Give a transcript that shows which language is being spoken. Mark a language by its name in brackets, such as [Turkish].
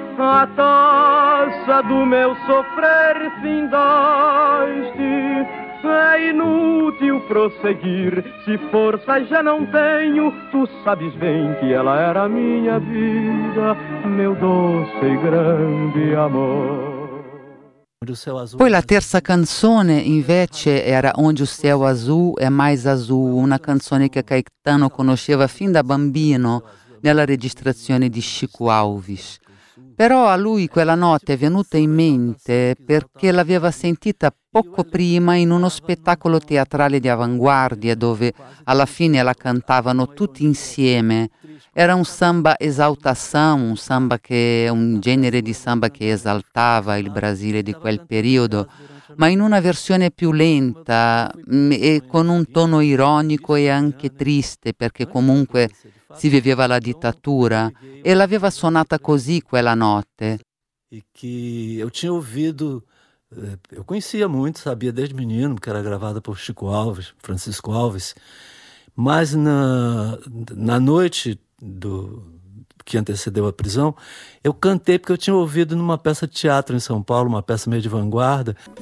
[Portuguese] A taça do meu sofrer findaste. É inútil prosseguir, se força já não tenho. Tu sabes bem que ela era minha vida, meu doce e grande amor. [Italian] Poi la terza canzone invece era Onde o Céu Azul é Mais Azul, una canzone che Caetano conosceva fin da bambino nella registrazione di Chico Alves. Però a lui quella notte è venuta in mente perché l'aveva sentita poco prima in uno spettacolo teatrale di avanguardia dove alla fine la cantavano tutti insieme. Era un samba esaltação, un genere di samba che esaltava il Brasile di quel periodo, ma in una versione più lenta e con un tono ironico e anche triste, perché comunque si viveva la dittatura, e l'aveva suonata così quella notte. [Portuguese] E che eu tinha ouvido, eu conhecia muito, sabia desde menino, che era gravata por Chico Alves, Francisco Alves, mas na noite que antecedeu a prisão, eu cantei porque eu tinha ouvido numa peça de teatro em São Paulo, uma peça meio de vanguarda.